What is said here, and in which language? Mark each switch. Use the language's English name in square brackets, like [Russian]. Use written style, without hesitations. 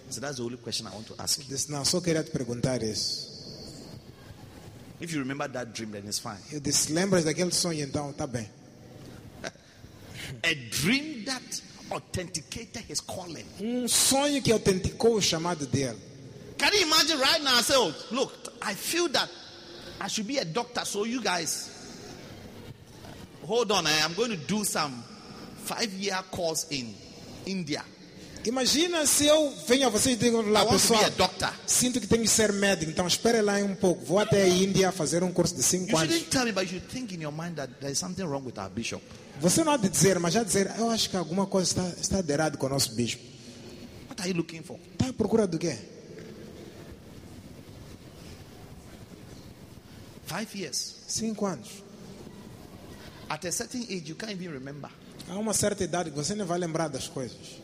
[English] So that's the only question I want to ask. [Portuguese] Disse, não, só queria te perguntar isso. [English] If you remember that dream, then it's fine. [Portuguese] Eu disse, lembras daquele sonho, então tá bem. [English] A dream that authenticated his calling. [Portuguese] Sonho que autenticou o chamado dele. [English] Can you imagine right now? I say, "Oh, look, I feel that I should be a doctor, so you guys, hold on, I'm going to do some 5-year course in India." [Portuguese] Imagina se eu venho a vocês e digo lá, pessoal, [English] to be a doctor. [Portuguese] Sinto que tenho que ser médico, então espere lá um pouco, vou até a Índia fazer curso de 5 anos. [English] You shouldn't tell me, but you think in your mind that there is something wrong with our bishop. [Portuguese] Você não há de dizer, mas já dizer, eu acho que alguma coisa está de errado com o nosso bispo. [English] What are you looking for? [Portuguese] Está à procura do quê? [English] 5 years. [Portuguese] 5 anos. [English] At a certain age, you can't even remember. [Portuguese] Há uma certa idade que você não vai lembrar das coisas.